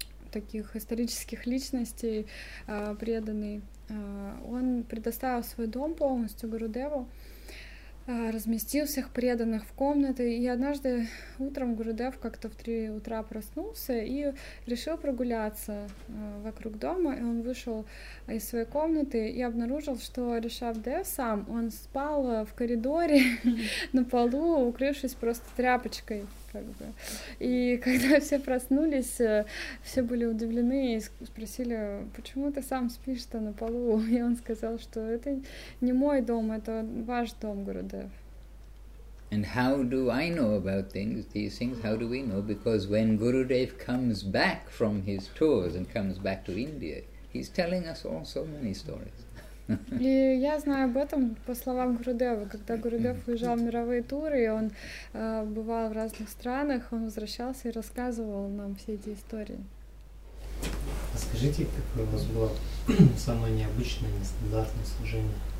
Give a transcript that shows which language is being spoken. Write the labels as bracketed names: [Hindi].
[Russian] таких исторических личностей, преданный, он предоставил свой дом полностью Гурудеву, разместил всех преданных в комнаты, и однажды утром Гурудев как-то в 3 утра проснулся и решил прогуляться вокруг дома, и он вышел из своей комнаты и обнаружил, что Ришабх Дев сам, он спал в коридоре на полу, укрывшись просто тряпочкой. Как бы. И когда все проснулись, все были удивлены и спросили, почему ты сам спишь-то на полу? И он сказал, что это не мой дом, это ваш дом, Гурудев. [English] And how do I know about things, these things? How do we know? Because when Gurudev comes back from his tours and comes back to India, he's telling us all so many stories. [Russian] И я знаю об этом по словам Гурудева. Когда Гурудев уезжал в мировые туры, и он бывал в разных странах, он возвращался и рассказывал нам все эти истории. А скажите, какое у вас было самое необычное, нестандартное служение?